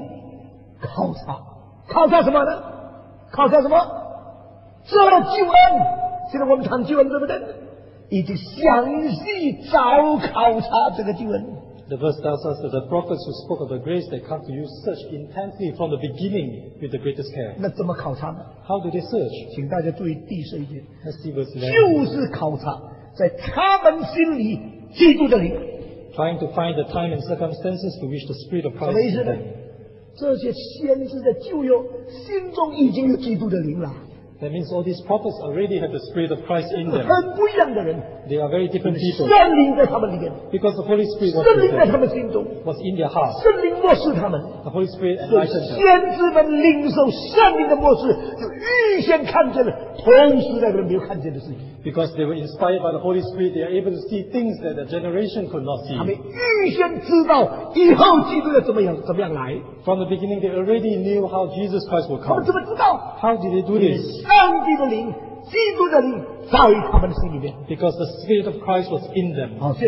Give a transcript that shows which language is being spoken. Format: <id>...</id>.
<zh>早已详细的寻求考察，早已详细寻求考察。谁呀？谁呀？你们读经读到哪里去了？谁呀？先知，一个先知就众多先知呢？众多先知早已详细考察，考察什么呢？考察什么？这救恩，现在我们谈救恩，对不对？已经详细早考察这个救恩。</zh> <en>The verse tells us that the prophets who spoke of the grace they come to you search intensely from the beginning with the greatest care.</en> <zh>那怎么考察呢？</zh> <en>How do they search?</en> <zh>请大家注意第十一节。</zh> <en>Let's see verse 11.</en> <zh>就是考察在他们心里基督的灵。</zh> <en>Trying to find the time and circumstances to which the Spirit of Christ is in them.</en> <zh>什么意思呢？这些先知的旧约心中已经有基督的灵了。</zh> <en>That means all these prophets already have the Spirit of Christ in them.</en> <zh>很不一样的人。</zh> <en>They are very different people.</en> <zh>圣灵在他们里面。</zh> <en>Because the Holy Spirit was in them.</en> <zh>圣灵在他们心中。</zh> <en>Was in their heart.</en> <zh>圣灵默示他们。</zh> <en>The Holy Spirit enlightened them.</en> <zh>先知们领受圣灵的默示，就预先看见了，同时代的人没有看见的事情。</zh> <en>Because they were inspired by the Holy Spirit, they are able to see things that the generation could not see.</en> <zh>他们预先知道以后基督要怎么样来。</zh> <en>From the beginning, they already knew how Jesus Christ would come.</en> <zh>他们怎么知道？</zh> <en>How did they do this?</en> <zh>上帝的灵，基督的灵在他们的心里面。</zh> <en>Because the Spirit of Christ was in them.</en>